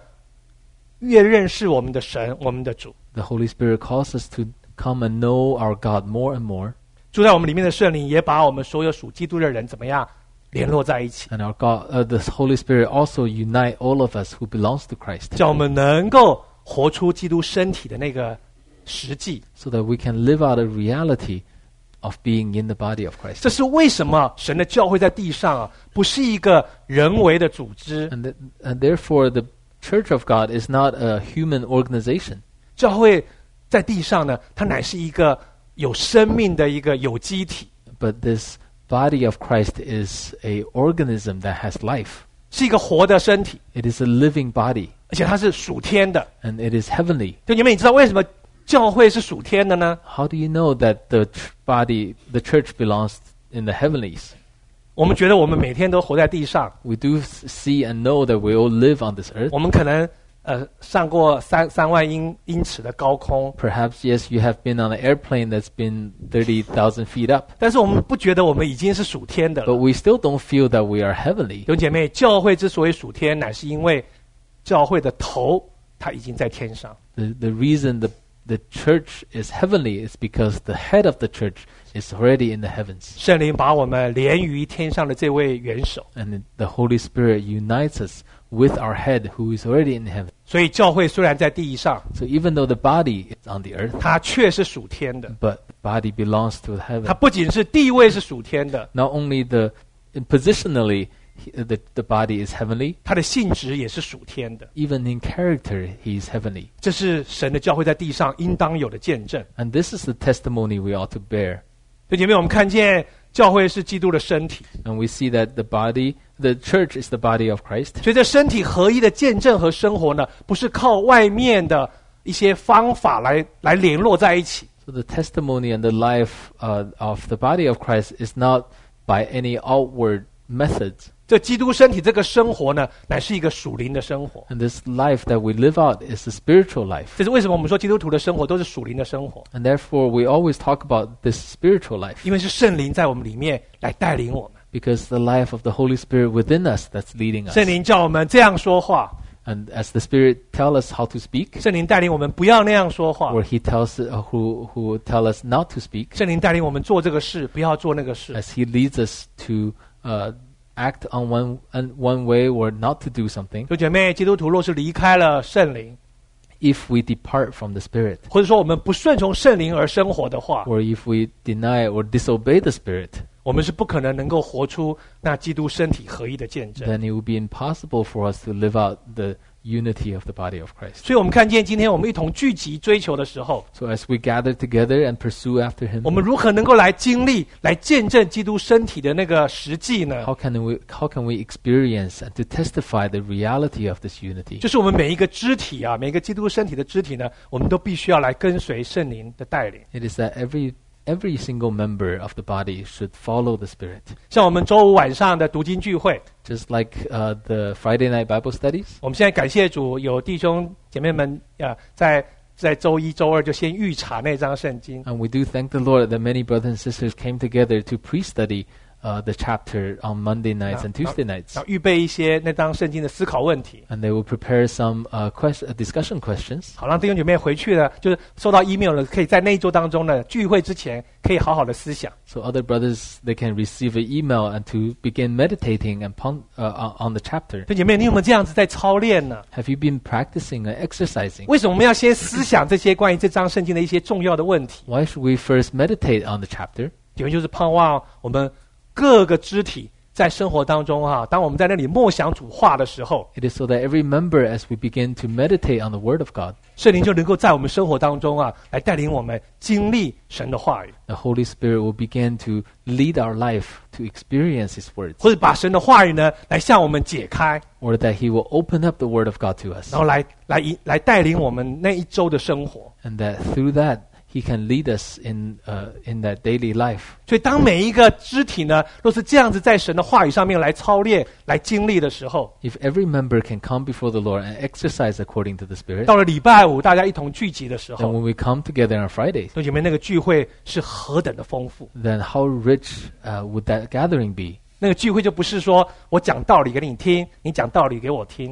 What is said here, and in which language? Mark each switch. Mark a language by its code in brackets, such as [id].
[zh] 住在我们里面的圣灵不仅叫我们越多的越认识我们的神, 我们的主。 [en] The Holy Spirit calls us to come and know our God more and more. [zh] 住在我们里面的圣灵也把我们所有属基督的人怎么样联络在一起。 [en] And our God, the Holy Spirit also unite all of us who belongs to Christ. [zh] 叫我们能够活出基督身体的那个实际。 [en] So that we can live out a reality of being in the body of Christ. [zh] 这是为什么神的教会在地上啊, 不是一个人为的组织。 [en] And therefore the Church of God is not a human organization. [zh] 教会在地上呢, 它乃是一个有生命的一个有机体。 [en] But this body of Christ is a organism that has life. [zh] 是一个活的身体。 [en] It is a living body. [zh] 而且它是属天的。 [en] And it is heavenly. [zh] 就你们你知道为什么 教会是属天的呢? [en] How do you know that the body, the church belongs in the heavenlies? [zh] 我们觉得我们每天都活在地上。 [en] We do see and know that we all live on this earth. [zh] 我们可能, 上过三万英尺的高空。 [en] Perhaps, yes, you have been on an airplane that's been 30,000 feet up. [zh] 但是我们不觉得我们已经是属天的。 [en] But we still don't feel that we are heavenly. [zh] 弟兄姐妹, 教会之所以属天, 乃是因为教会的头, 他已经在天上。 [en] The reason the church is heavenly is because the head of the church is already in the heavens. [zh] 圣灵把我们连于天上的这位元首。 [en] And the Holy Spirit unites us with our head who is already in heaven. [zh] 所以教会虽然在地上, [en] so even though the body is on the earth, [zh] 它却是属天的。 [en] But the body belongs to heaven. [zh] 它不仅是地位是属天的。 [en] Not only the positionally the body is heavenly, [zh] 他的性质也是属天的, [en] even in character he is heavenly. [zh] 这是神的教会在地上应当有的见证, [en] and this is the testimony we ought to bear. [zh] 弟兄们，我们看见教会是基督的身体。 [en] And we see that the body, the church is the body of Christ. [zh] 所以这身体合一的见证和生活呢，不是靠外面的一些方法来联络在一起。 [en] So the testimony and the life, of the body of Christ is not by any outward methods. [zh] 这基督身体这个生活呢，乃是一个属灵的生活。 [en] And this life that we live out is a spiritual life. [zh] 这是为什么我们说基督徒的生活都是属灵的生活。 [en] And therefore we always talk about this spiritual life. [zh] 因为是圣灵在我们里面来带领我们。 [en] Because the life of the Holy Spirit within us that's leading us. [zh] 圣灵叫我们这样说话。 [en] And as the Spirit tells us how to speak, [zh] 圣灵带领我们不要那样说话。 [en] Or he tells who tell us not to speak, [zh] 圣灵带领我们做这个事，不要做那个事。 [en] As he leads us to act on one way or not to do something. [zh] 弟兄姐妹，基督徒若是离开了圣灵， [en] if we depart from the Spirit, [zh] 或者说我们不顺从圣灵而生活的话， [en] or if we deny or disobey the Spirit. [zh] 我们是不可能能够活出那基督身体合一的见证。 [en] Then it would be impossible for us to live out the unity of the body of Christ. [zh] 所以我们看见今天我们一同聚集追求的时候， [en] So as we gather together and pursue after Him, [zh] 我们如何能够来经历、来见证基督身体的那个实际呢？ [en] How can we experience and to testify the reality of this unity? [zh] 就是我们每一个肢体啊，每一个基督身体的肢体呢，我们都必须要来跟随圣灵的带领。 [en] It is that every single member of the body should follow the Spirit. [zh] 像我们周五晚上的读经聚会， [en] just like the Friday night Bible studies. [zh] 我们现在感谢主，有弟兄姐妹们在周一周二就先预查那张圣经。 [en] And we do thank the Lord that many brothers and sisters came together to pre-study the chapter on Monday nights and Tuesday nights. [zh] 预备一些那张圣经的思考问题。 [en] And they will prepare some discussion questions. [zh] 好，让弟兄姐妹回去呢，就是收到 email 了，可以在那一周当中呢，聚会之前可以好好的思想。 [en] So other brothers, they can receive an email and to begin meditating and on the chapter. [zh] 弟兄姐妹，你有没有这样子在操练呢？ [en] Have you been practicing and exercising? [zh] 为什么我们要先思想这些关于这张圣经的一些重要的问题？ [en] Why should we first meditate on the chapter? [zh] 因为就是盼望我们各个肢体在生活当中，当我们在那里默想主话的时候， [en] It is so that every member, as we begin to meditate on the word of God, [zh] 圣灵就能够在我们生活当中来带领我们经历神的话语。 [en] The Holy Spirit will begin to lead our life to experience His words, [zh] 或者把神的话语呢来向我们解开， [en] Or that He will open up the word of God to us, [zh] 然后来带领我们那一周的生活。 [en] And that through thatHe can lead us in that daily life. [zh] 所以当每一个肢体呢，若是这样子在神的话语上面来操练、来经历的时候， [en] If every member can come before the Lord and exercise according to the Spirit, [zh] 到了礼拜五大家一同聚集的时候， [en] And when we come together on Fridays, [zh] 弟兄们，那个聚会是何等的丰富， [en] Then how rich would that gathering be? [zh] 那个聚会就不是说我讲道理给你听，你讲道理给我听。